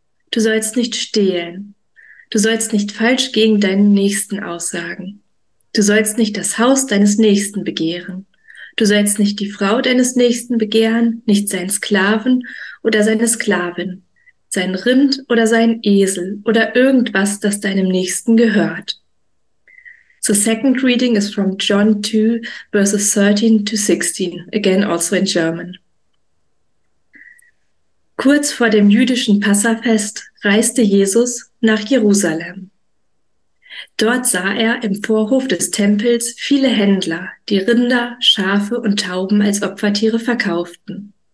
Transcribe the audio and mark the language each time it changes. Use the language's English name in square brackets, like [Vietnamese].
[German] Du sollst nicht stehlen. Du sollst nicht falsch gegen deinen Nächsten aussagen. Du sollst nicht das Haus deines Nächsten begehren. Du sollst nicht die Frau deines Nächsten begehren, nicht seinen Sklaven oder seine Sklavin, sein Rind oder seinen Esel oder irgendwas, das deinem Nächsten gehört. [English] The second reading is from John 2, verses 13 to 16, again also in German. [German] Kurz vor dem jüdischen Passafest reiste Jesus nach Jerusalem. Dort sah er im Vorhof des Tempels viele Händler, die Rinder, Schafe und Tauben als Opfertiere verkauften.